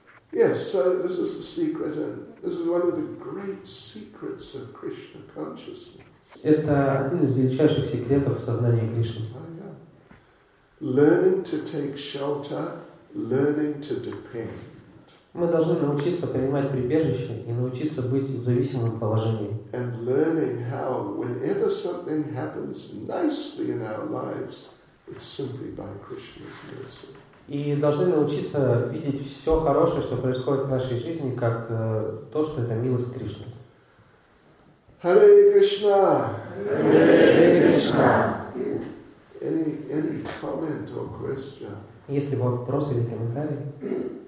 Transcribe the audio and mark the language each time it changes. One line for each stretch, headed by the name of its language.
English: Yes, so this is the secret, and this is one of the great secrets of Krishna consciousness.
Russian: Это один из величайших секретов сознания Кришны.
English: Learning to take shelter, learning to depend.
Russian: Мы должны научиться принимать прибежище и научиться быть в зависимом положении.
English: And learning how, whenever something happens nicely in our lives, it's simply by Krishna's mercy.
Russian: И должны научиться видеть все хорошее, что происходит в нашей жизни, как то, что это милость Кришны.
Sanskrit: Hare Krishna! Hare Krishna!
English: Any comment or question?
Russian: Если у вас вопросы или комментарии?